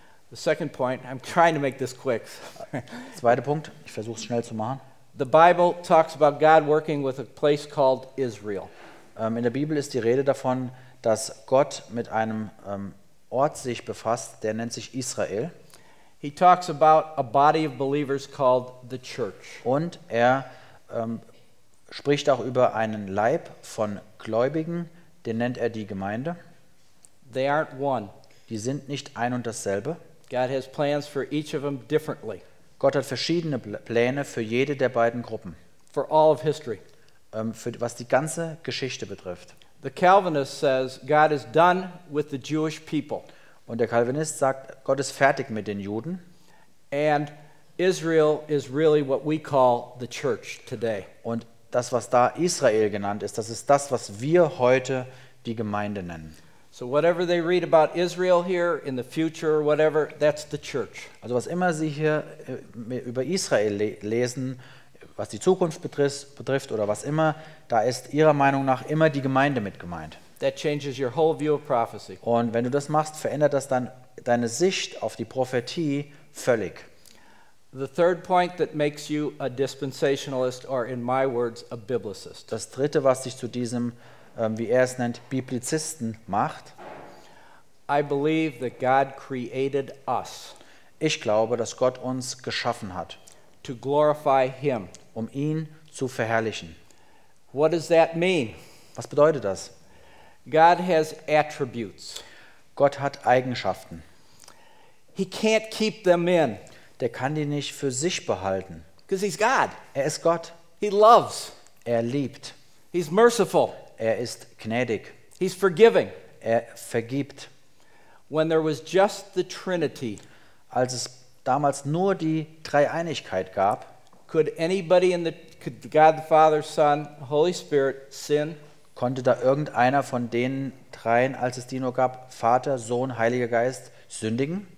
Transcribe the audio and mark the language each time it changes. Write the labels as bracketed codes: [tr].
[en] The second point, I'm trying to make this quick. [de] Zweiter Punkt, ich versuche es schnell zu machen. [en] The Bible talks about God working with a place called Israel. [de] In der Bibel ist die Rede davon, dass Gott mit einem Ort sich befasst, der nennt sich Israel. [en] He talks about a body of believers called the church. [de] Und er spricht auch über einen Leib von Gläubigen, den nennt er die Gemeinde. [en] They aren't one. [de] Die sind nicht ein und dasselbe. [en] God has plans for each of them differently. [de] Gott hat verschiedene Pläne für jede der beiden Gruppen. [en] For all of history. [de] Für was die ganze Geschichte betrifft. [en] The Calvinist says God is done with the Jewish people. [de] Und der Calvinist sagt, Gott ist fertig mit den Juden. [en] And Israel is really what we call the church today. [de] Und das, was da Israel genannt ist, das ist das, was wir heute die Gemeinde nennen. [en] So whatever they read about Israel here in the future or whatever, that's the church. [de] Also was immer sie hier über Israel lesen, was die Zukunft betrifft oder was immer, da ist ihrer Meinung nach immer die Gemeinde mit gemeint. [en] That changes your whole view of prophecy. [de] Und wenn du das machst, verändert das dann deine Sicht auf die Prophetie völlig. [en] The third point that makes you a dispensationalist or in my words a biblicist. [de] Das dritte, was dich zu diesem wie er es nennt, Biblizisten macht. [en] I believe that God created us. [de] Ich glaube, dass Gott uns geschaffen hat. [en] To glorify him. [de] Um ihn zu verherrlichen. [en] What does that mean? [de] Was bedeutet das? [en] God has attributes. [de] Gott hat Eigenschaften. [en] He can't keep them in. [de] Der kann die nicht für sich behalten. [en] Because he's God. [de] Er ist Gott. [en] He loves. [de] Er liebt. [en] He's merciful. [de] Er ist gnädig. [en] He's forgiving. [de] Er vergibt. [en] When there was just the Trinity, [de] als es damals nur die Dreieinigkeit gab, [en] could anybody in the could God the Father, Son, Holy Spirit sin? [de] Konnte da irgendeiner von den dreien, als es die nur gab, Vater, Sohn, Heiliger Geist, sündigen?